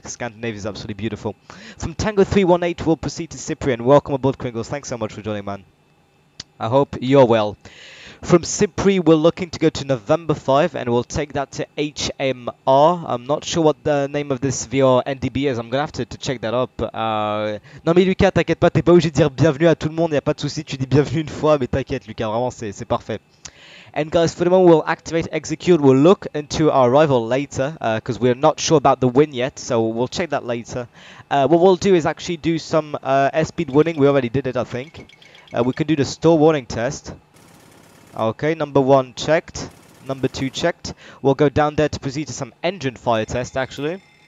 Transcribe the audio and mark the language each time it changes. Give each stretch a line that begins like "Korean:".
English: Scandinavia is absolutely beautiful. From Tango 318, we'll proceed to Cyprian. Welcome aboard, Kringles. Thanks so much for joining, man. I hope you're well. From Cypri, we're looking to go to November 5, and we'll take that to HMR. I'm not sure what the name of this VR NDB is. I'm going to have to check that up.
French: Non, mais Lucas, t'inquiète pas, t'es pas obligé de dire bienvenue à tout le monde, y'a pas de soucis, tu dis bienvenue une fois, mais t'inquiète, Lucas, vraiment, c'est parfait.
English: And guys, for the moment, we'll activate execute. We'll look into our arrival later, because we're not sure about the win yet, so we'll check that later. What we'll do is actually do some airspeed winning. We already did it, I think. We can do the stall warning test. Okay, number one checked. Number two checked. We'll go down there to proceed to some engine fire test, actually.